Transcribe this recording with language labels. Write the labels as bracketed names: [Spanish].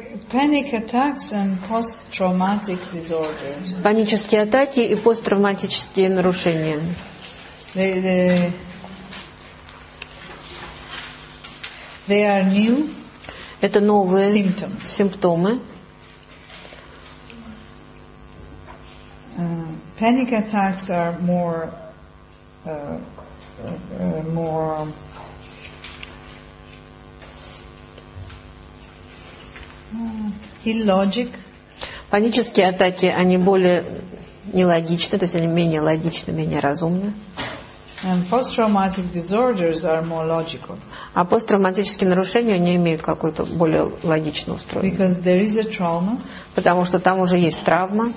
[English] Panic attacks and post-traumatic disorders. [Russian] Панические атаки и посттравматические нарушения. [English] They are new. [Russian] Это новые [English] symptoms. [Russian] Симптомы. [English] Panic attacks are more more illogic. [Russian] Панические атаки, они более нелогичны, то есть они менее логичны, менее разумны. [English] And post-traumatic disorders are more logical. [Russian] А посттравматические нарушения не имеют какой-то более логичного устройства. [English] Because there is a trauma. [Russian] Потому что там уже есть травма.